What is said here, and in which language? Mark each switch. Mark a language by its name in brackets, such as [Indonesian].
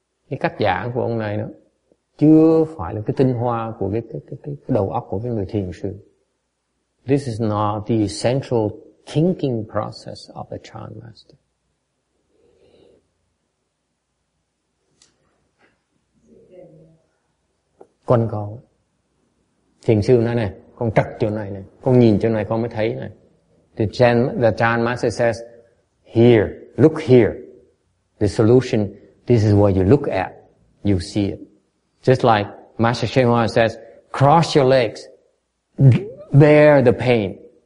[Vietnamese] Cái cách giảng của ông này đó chưa phải là cái tinh hoa của cái đầu óc của cái người thiền sư. [English] This is not the essential thinking process of the Chan master. [Vietnamese] Con có thiền sư nói này, con trật chỗ này này, con nhìn chỗ này con mới thấy này. [English] The Chan master says, here, look here. The solution, this is what you look at. You see it. Just like Master Shenhua says, cross your legs, bear the pain.